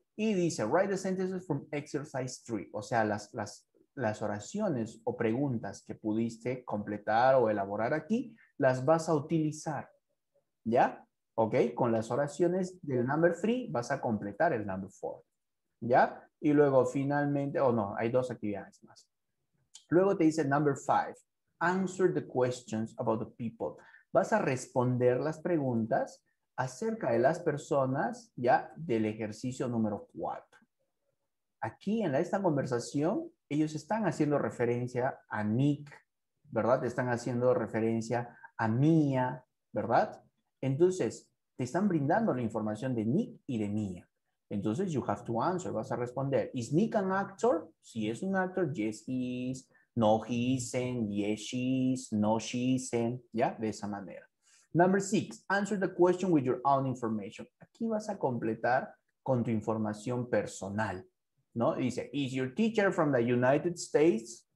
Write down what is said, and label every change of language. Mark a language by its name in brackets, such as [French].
[Spanish] Y dice, [English] write the sentences from exercise 3, [Spanish] o sea, las oraciones o preguntas que pudiste completar o elaborar aquí, las vas a utilizar, ¿ya? ¿Ok? Con las oraciones del [English] number 3 [Spanish] vas a completar el [English] number 4, [Spanish] ¿ya? Y luego finalmente, no, hay dos actividades más. Luego te dice [English] number 5, answer the questions about the people. [Spanish] Vas a responder las preguntas acerca de las personas, ¿ya? Del ejercicio número 4. Aquí en esta conversación, ellos están haciendo referencia a Nick, ¿verdad? Están haciendo referencia a Mia, ¿verdad? Entonces, te están brindando la información de Nick y de Mia. Entonces, [English] you have to answer, [Spanish] vas a responder. [English] ¿Is Nick an actor? [Spanish] Si es un actor, [English] yes, he is. No, he isn't. Yes, she is. No, she isn't. [Spanish] ¿Ya? De esa manera. [English] Number 6, answer the question with your own information. [Spanish] Aquí vas a completar con tu información personal. ¿No? Dice, [English] is your teacher from the United States?